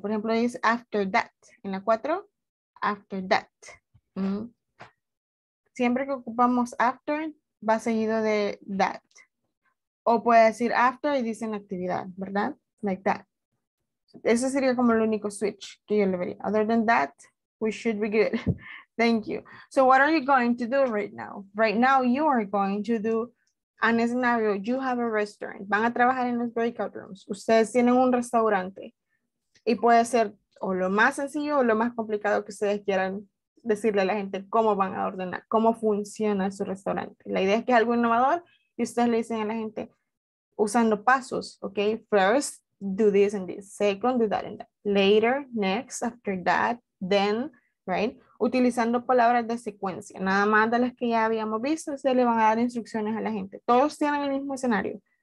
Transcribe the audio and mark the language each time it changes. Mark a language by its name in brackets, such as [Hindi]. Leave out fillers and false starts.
[Spanish] Por ejemplo, es [English] after that. [Spanish] En la 4, after that. Siempre que ocupamos after, va seguido de that. O puede decir after y dicen actividad, ¿verdad? [English] Like that. [Spanish] Ese sería como el único switch que yo le vería. [English] Other than that, we should be good. Thank you. So what are you going to do right now? Right now, you are going to do an scenario. You have a restaurant. [Spanish] Van a trabajar en los breakout rooms. Ustedes tienen un restaurante. Y puede ser o lo más sencillo o lo más complicado que ustedes quieran decirle a la gente cómo van a ordenar, cómo funciona su restaurante. La idea es que es algo innovador y ustedes le dicen a la gente usando pasos, ok, [English] first, do this and this, second, do that and that, later, next, after that, then, right, [Spanish] utilizando palabras de secuencia, nada más de las que ya habíamos visto, ustedes le van a dar instrucciones a la gente, todos tienen el mismo escenario,